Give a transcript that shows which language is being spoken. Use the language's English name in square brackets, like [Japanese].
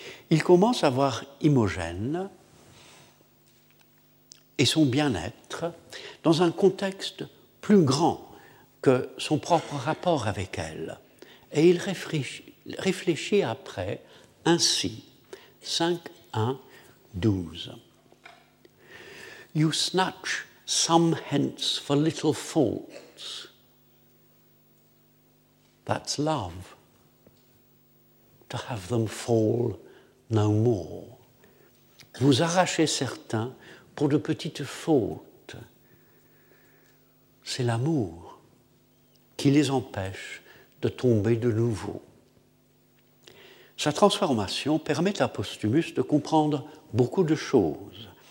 [French] Il commence à voir Imogène et son bien-être dans un contexte plus grand que son propre rapport avec elle. Et il réfléchit après ainsi, 5:1-12. [English] You snatch some hence for little faults. That's love, to have them fall no more. [French] Vous arrachez certains pour de petites fautes. C'est l'amour qui les empêche de tomber de nouveau. Sa transformation permet à Posthumus de comprendre beaucoup de choses.